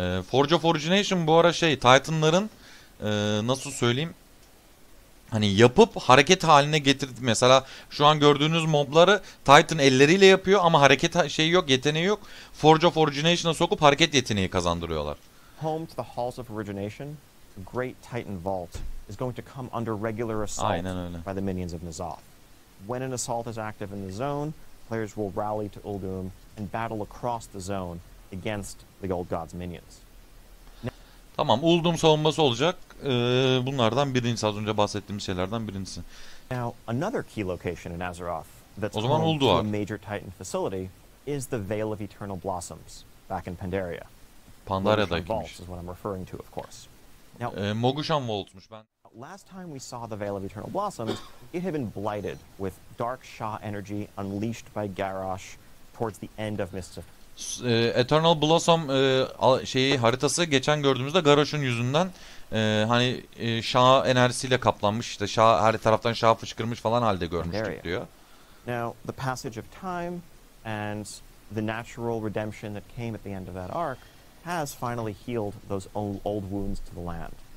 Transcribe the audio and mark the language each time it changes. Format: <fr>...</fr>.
<tr>Forge of Origination bu ara şey Titanların nasıl söyleyeyim? Hani yapıp hareket haline getirdi. Mesela şu an gördüğünüz mobları Titan elleriyle yapıyor ama hareket şeyi yok, yeteneği yok. Forge of Origination'a sokup hareket yeteneği kazandırıyorlar.</tr> <en>Home to the Halls of Origination, the Great Titan Vault is going to come under regular assault by the minions of Nazoth. When an assault is active in the zone, players will rally to Uldum and battle across the zone against the old god's minions.</en> <tr>Tamam, Uldum savunması olacak. Bunlardan birincisi, az önce bahsettiğim şeylerden birincisi.</tr> <en>Now, another key location in Azeroth that's a major Titan facility is the Veil of Eternal Blossoms back in Pandaria.</en> <tr>Pandaria'daymış.</tr> <en>Is what I'm referring to, of course.</en> <tr>Now, Mogushan Vault'muş ben.</tr> <en>Last time we saw the Veil of Eternal Blossoms, it had been blighted with dark Shah energy unleashed by Garrosh towards the end of Mystic.</en> <tr>Eternal Blossom şeyi haritası geçen gördüğümüzde Garrosh'un yüzünden hani Shah enerjisiyle kaplanmış işte Shah her taraftan Shah fışkırmış falan halde görmüştük diyor.</tr> <en>Now the passage of time and the natural redemption that came at the end of that arc has finally healed those old wounds to the land.</en>